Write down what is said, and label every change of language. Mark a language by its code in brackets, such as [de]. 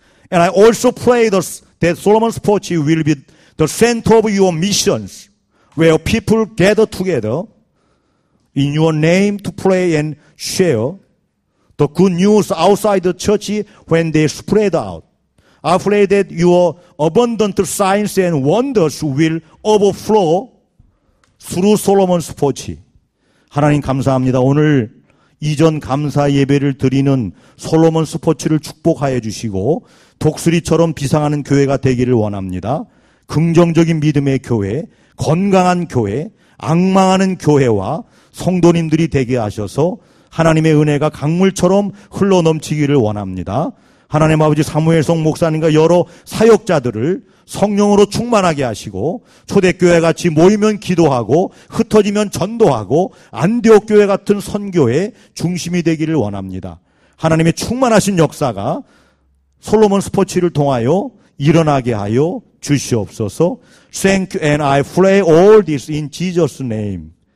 [en] And I also pray that Solomon's Porch will be the center of your missions where people gather together in your name to pray and share the good news outside the church when they spread out. I pray that your abundant signs and wonders will overflow through Solomon's Porch. [ko] 하나님 감사합니다. 오늘 이전 감사 예배를 드리는 Solomon's Porch를 축복하여 주시고 독수리처럼 비상하는 교회가 되기를 원합니다. 긍정적인 믿음의 교회, 건강한 교회, 악망하는 교회와 성도님들이 되게 하셔서 하나님의 은혜가 강물처럼 흘러넘치기를 원합니다. 하나님 아버지 사무엘성 목사님과 여러 사역자들을 성령으로 충만하게 하시고 초대교회 같이 모이면 기도하고 흩어지면 전도하고 안디옥교회 같은 선교의 중심이 되기를 원합니다. 하나님의 충만하신 역사가 솔로몬 스포츠를 통하여 일어나게 하여 주시옵소서. [en] Thank you and I pray all this in Jesus' name.